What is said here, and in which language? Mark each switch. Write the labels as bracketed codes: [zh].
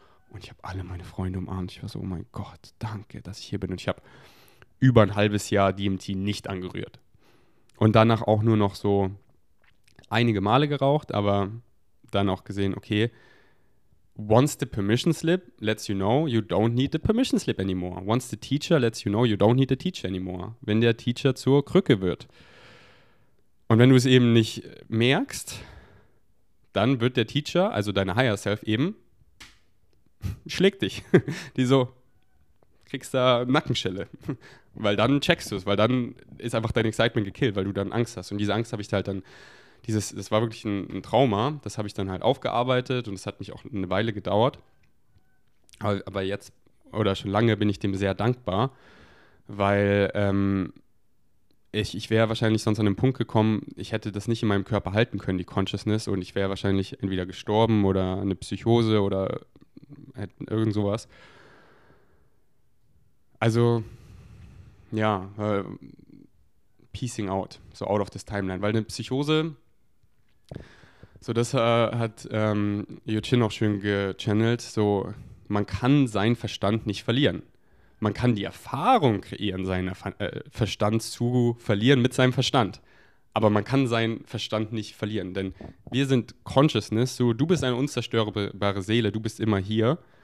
[de] Und ich habe alle meine Freunde umarmt. Ich war so, oh mein Gott, danke, dass ich hier bin. Und ich habe über ein halbes Jahr DMT nicht angerührt. Und danach auch nur noch so einige Male geraucht, aber dann auch gesehen, okay, [en] once the permission slip lets you know, you don't need the permission slip anymore. Once the teacher lets you know, you don't need the teacher anymore. [de] Wenn der Teacher zur Krücke wird. Und wenn du es eben nicht merkst, dann wird der Teacher, also deine Higher Self eben, schlägt dich. Die so, kriegst da Nackenschelle. Weil dann checkst du es, weil dann ist einfach dein Excitement gekillt, weil du dann Angst hast. Und diese Angst habe ich halt dann, das war wirklich ein Trauma, das habe ich dann halt aufgearbeitet und es hat mich auch eine Weile gedauert. Aber jetzt, oder schon lange, bin ich dem sehr dankbar, weil ich wäre wahrscheinlich sonst an den Punkt gekommen, ich hätte das nicht in meinem Körper halten können, die Consciousness, und ich wäre wahrscheinlich entweder gestorben oder eine Psychose oder irgend sowas. Also, ja, [en] piecing out, so out of this timeline. [de] Weil eine Psychose, so das hat Yuchin auch schön gechannelt, so man kann seinen Verstand nicht verlieren. Man kann die Erfahrung kreieren, seinen Verstand zu verlieren mit seinem Verstand. Aber man kann seinen Verstand nicht verlieren, denn wir sind Consciousness, so du bist eine unzerstörbare Seele, du bist immer hier.